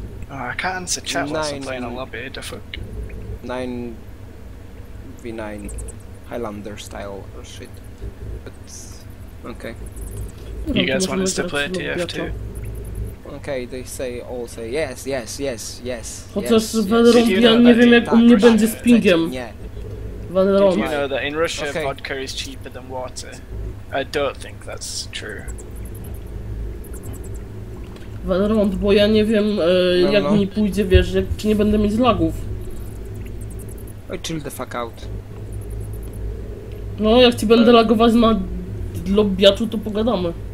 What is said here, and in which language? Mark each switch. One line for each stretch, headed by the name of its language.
English: Oh, I can't answer chat whilst I'm playing a lobby, the fuck. 9v9 Highlander style or shit. But okay. You guys want us to play TF too? Okay, they say all say yes, yes, yes, yes.
Polish: Chociaż Velrond, ja nie wiem jak on nie będzie z pingiem.
English: Did you know that in Russia vodka is cheaper than water? I don't think that's true.
Polish: Velrond, bo ja nie wiem jak mi pójdzie, wiesz, jak, czy nie będę mieć lagów.
English: I chill the fuck out.
Polish: No, jak ci będę lagować na lobbyaczu, to pogadamy.